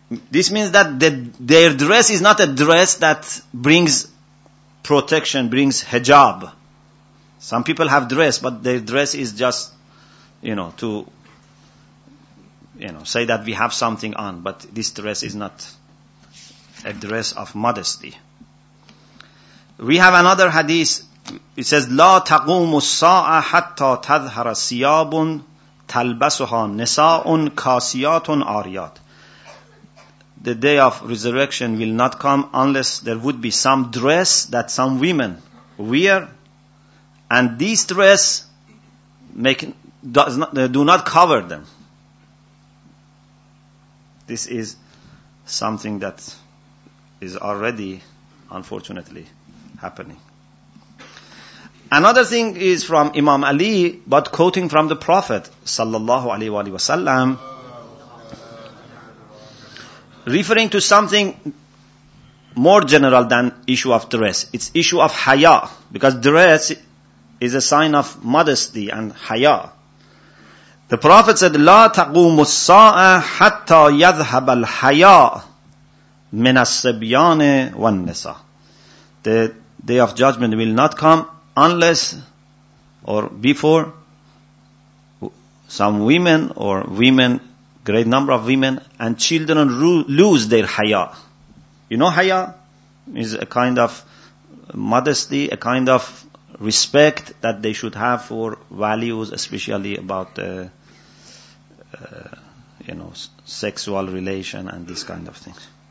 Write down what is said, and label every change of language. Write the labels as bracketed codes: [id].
[en] This means that their dress is not a dress that brings protection, brings hijab. Some people have dress, but their dress is just, say that we have something on, but this dress is not a dress of modesty. We have another hadith. It says, [ar] لا تقوم الساعة حتى تظهر ثياب تلبسها نساء كاسيات عاريات. [en] The day of resurrection will not come unless there would be some dress that some women wear, and this dress does not cover them. This is something that is already, unfortunately, happening. Another thing is from Imam Ali, but quoting from the Prophet, sallallahu alaihi wasallam, referring to something more general than issue of dress. It's issue of haya, because dress is a sign of modesty and haya. The Prophet said, [ar] لا تقوم الساعة حتى يذهب الحياء من الصبيان والنساء. [en] The day of judgment will not come unless or before some women or women, great number of women and children lose their haya. You know haya is a kind of modesty, a kind of respect that they should have for values, especially about sexual relation and this kind of things.